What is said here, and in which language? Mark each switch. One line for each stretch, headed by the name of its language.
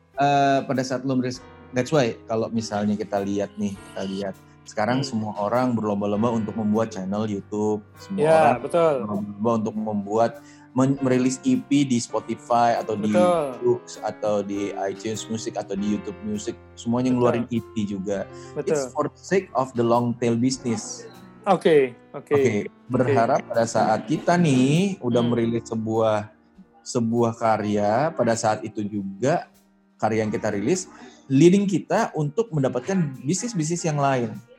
Indonesian: Kan pada saat lo
English: that's why
Indonesian: kalau misalnya kita lihat nih, kita lihat sekarang semua orang berlomba-lomba untuk membuat channel YouTube, semua orang betul. Berlomba untuk membuat merilis EP di Spotify atau di Jux atau di iTunes Music atau di YouTube Music, semuanya ngeluarin EP juga. Betul.
English: It's for the sake of the long tail business.
Indonesian: Oke. Berharap pada saat kita nih udah merilis sebuah karya, pada saat itu juga karya yang kita rilis leading kita untuk mendapatkan bisnis-bisnis yang lain.